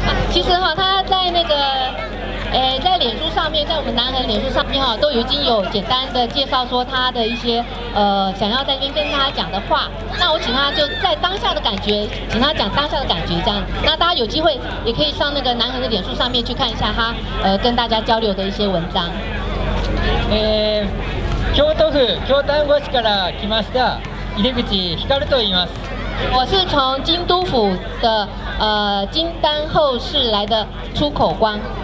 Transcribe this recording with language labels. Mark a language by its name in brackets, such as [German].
[Chinese] 其实哈，他在那个，在脸书上面，在我们南韩脸书上面哈，都已经有简单的介绍说他的一些想要在这边跟他讲的话。那我请他就在当下的感觉，请他讲当下的感觉这样。那大家有机会也可以上那个南韩的脸书上面去看一下他跟大家交流的一些文章。 [Japanese] 京都府京丹後市から来ました井出口光と言います。 [Chinese] 我是从京都府的京丹后市来的出口官。